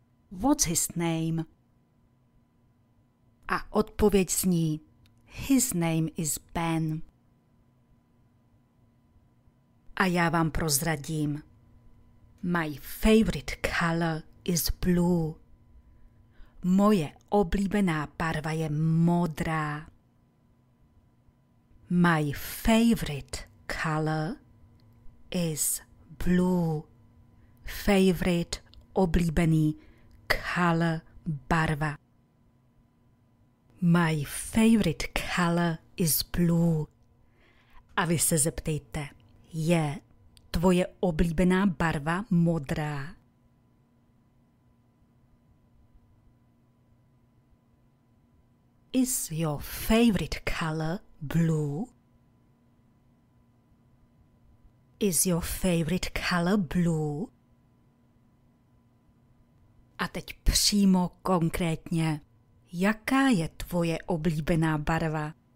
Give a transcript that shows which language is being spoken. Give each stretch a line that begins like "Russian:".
English: What's his name?
Czech: A odpověď zní
English: his name is Ben.
Czech: A já vám prozradím.
English: My favorite color is blue.
Czech: Moje oblíbená barva je modrá.
English: My favorite color is blue.
Czech: Favorite, oblíbený, color, barva.
English: My favorite color is blue.
Czech: A vy se zeptejte, je tvoje oblíbená barva modrá?
English: Is your favorite color blue? Is your favorite color blue?
Czech: A teď přímo konkrétně, jaká je tvoje oblíbená barva?